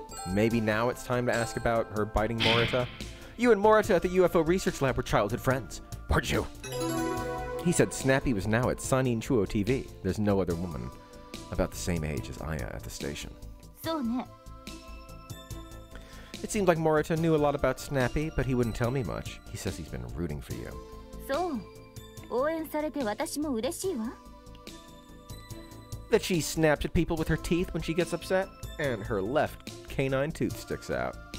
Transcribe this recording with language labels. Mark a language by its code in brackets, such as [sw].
[en] Maybe now it's time to ask about her biting Morita. You and Morita at the UFO Research Lab were childhood friends, weren't you? He said Snappy was now at Sanin Chuo TV. There's no other woman about the same age as Aya at the station. [ja] So ne. [en] It seemed like Morita knew a lot about Snappy, but he wouldn't tell me much. He says he's been rooting for you. [ja] So, 応援されて私も嬉しいわ. [en] That she snaps at people with her teeth when she gets upset, and her left canine tooth sticks out.